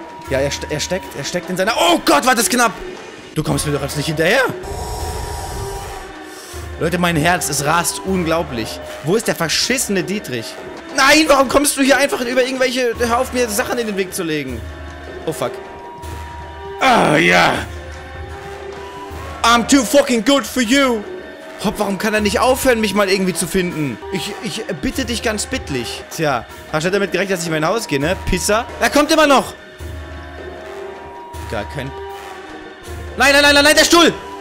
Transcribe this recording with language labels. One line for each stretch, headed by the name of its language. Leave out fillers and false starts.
German: Ja, er steckt in seiner... Oh Gott, war das knapp! Du kommst mir doch jetzt nicht hinterher! Leute, mein Herz, es rast unglaublich. Wo ist der verschissene Dietrich? Nein, warum kommst du hier einfach über irgendwelche... Hör auf, mir Sachen in den Weg zu legen.
English: Oh fuck.
German: Oh ja!
English: Yeah. I'm too fucking good for you!
German: Hopp, warum kann er nicht aufhören, mich mal irgendwie zu finden? Ich bitte dich ganz bittlich. Tja, hast du damit gerechnet, dass ich in mein Haus gehe, ne? Pisser? Er kommt immer noch! Gar kein... Nein, nein, nein, nein, nein, der Stuhl!